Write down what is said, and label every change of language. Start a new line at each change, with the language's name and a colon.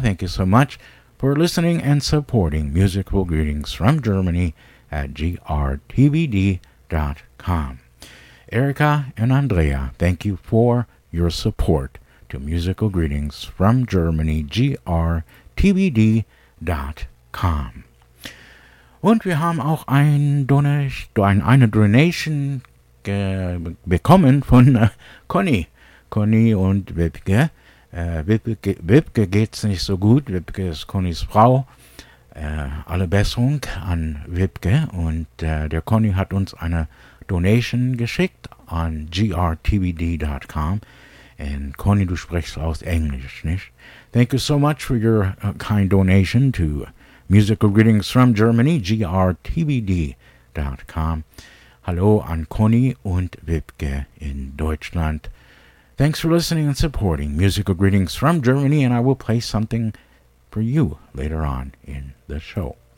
English: Thank you so much for listening and supporting Musical Greetings from Germany at grtvd.com. Erica and Andrea, thank you for your support to Musical Greetings from Germany, grtvd.com.
German: Und wir haben auch eine Donation bekommen von Conny. Conny und Wipke. Wipke geht's nicht so gut. Wipke ist Connys Frau. Alle Besserung an Wipke. Und der Conny hat uns eine Donation geschickt an grtvd.com.
English: And
German: Conny, du sprichst aus Englisch, nicht?
English: Thank you so much for your kind donation to Musical Greetings from Germany, grtvd.com.
German: Hallo an Conny und Wipke in Deutschland.
English: Thanks for listening and supporting Musical Greetings from Germany, and I will play something for you later on in the show.